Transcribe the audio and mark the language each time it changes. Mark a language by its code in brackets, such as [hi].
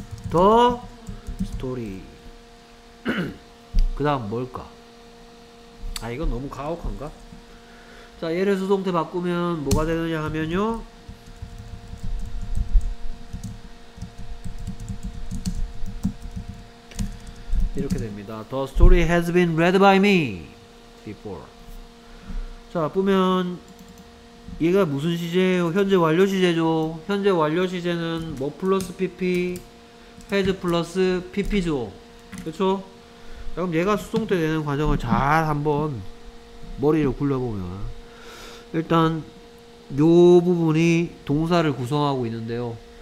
[en] The story. [ko] 그 다음 뭘까? 아 이건 너무 가혹한가? 자 얘를 수동태 바꾸면 뭐가 되느냐 하면요 이렇게 됩니다. [en] The story has been read by me before. [ko] 자, 보면 얘가 무슨 시제예요? 현재 완료 시제죠. 현재 완료 시제는 뭐 플러스 PP, has 플러스 PP죠. 그렇죠? 자, 그럼 얘가 수동태 되는 과정을 잘 한번 머리로 굴려보면 일단 요 부분이 동사를 구성하고 있는데요.